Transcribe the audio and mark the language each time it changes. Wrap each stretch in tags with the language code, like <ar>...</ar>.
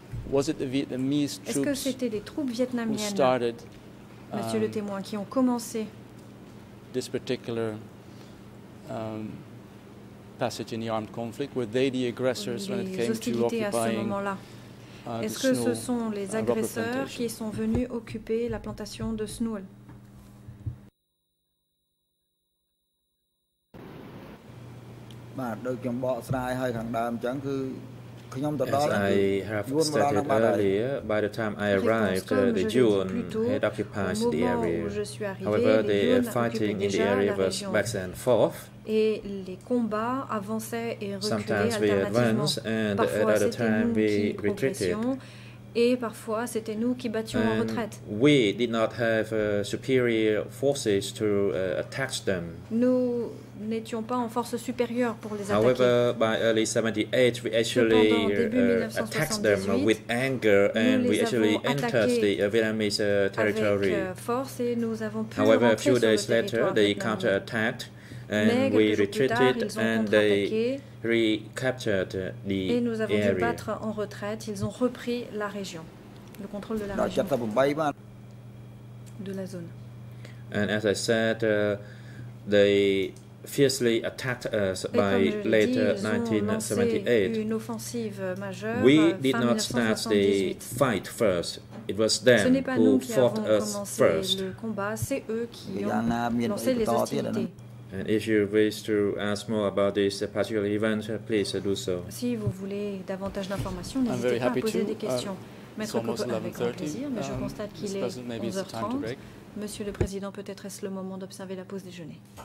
<en>Was it the Vietnamese troops, who started,</en> <fr>Monsieur le témoin, qui ont commencé</fr> <en>this particular passage in the armed conflict? Were they the aggressors when it came to occupying?</en> <fr>Est-ce que ce sont les agresseurs qui sont venus occuper la plantation de Snowl?</fr> <en>As I have stated earlier, by the time I arrived, the Yuan had occupied the area. However, the fighting in the area was back and forth.</en> <fr>Et les combats avançaient et reculaient alternativement. Parfois, c'était nous qui progressions, et parfois, c'était nous qui battions en retraite.</fr> <en>We did not have superior forces to attack them.</en> <fr>Nous n'étions pas en force supérieure pour les attaquer.</fr> <en>However, by early 78, we actually attacked them with anger, and we actually entered the Vietnamese territory.</en> <fr>Avec force, et nous avons pu</fr> <en>however, a few days later, they counterattacked. And</en> <fr>mais</fr> <en>we retreated and they recaptured the area.</en> <fr>Et nous avons dû battre en retraite. Ils ont repris la région, le contrôle de la région, de la zone.</fr> <en>And as I said, they fiercely attacked us</en> <fr>et</fr> <en>by late 1978. We did not start the fight first. It was them</en> <fr>ce n'est pas</fr> <en>who</en> <fr>nous qui</fr> <en>fought</en> <fr>avons</fr> <en>us</en> <fr>commencé</fr> <en>first.</en> <fr>Le combat, c'est eux qui ont lancé les hostilités.</fr> <en>And if you wish to ask more about this particular event, please do so.</en> <fr>Si vous voulez davantage d'informations, n'hésitez pas à poser des questions. Maître Coppe, avec grand plaisir, mais je constate qu'il est 11h30. Monsieur le Président, peut-être est-ce le moment d'observer la pause déjeuner.</fr>